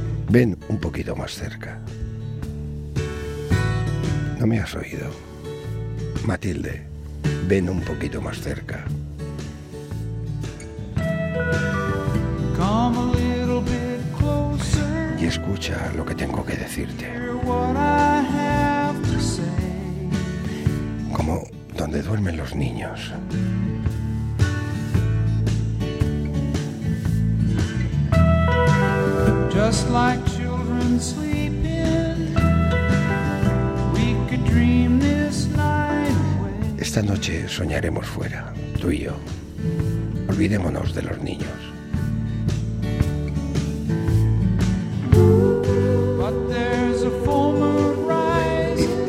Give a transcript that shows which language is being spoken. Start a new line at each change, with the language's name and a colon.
Spanish: Ven un poquito más cerca. ¿No me has oído? Matilde, ven un poquito más cerca.
English: Come a little bit closer.
Spanish: Y escucha lo que tengo que decirte. Como donde duermen los niños.
English: Just like sleeping, we could dream this night away.
Spanish: Esta noche soñaremos fuera, tú y yo. Olvidémonos de los niños.
English: But there's a full moon rising.